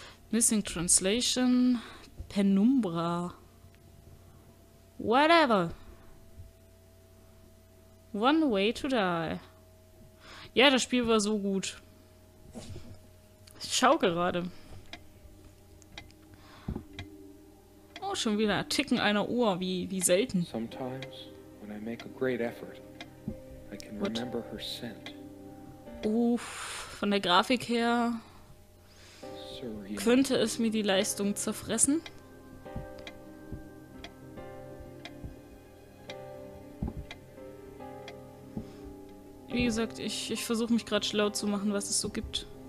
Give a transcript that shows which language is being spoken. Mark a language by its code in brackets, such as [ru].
[en] Missing Translation... Penumbra. Whatever. One way to die. [de] Ja, das Spiel war so gut. Ich schau gerade. Oh, schon wieder Ticken einer Uhr, wie selten. [en] Sometimes when I make a great effort, I can remember her scent. [de] Uff, von der Grafik her könnte es mir die Leistung zerfressen. Wie gesagt, ich versuche mich gerade schlau zu machen, was es so gibt.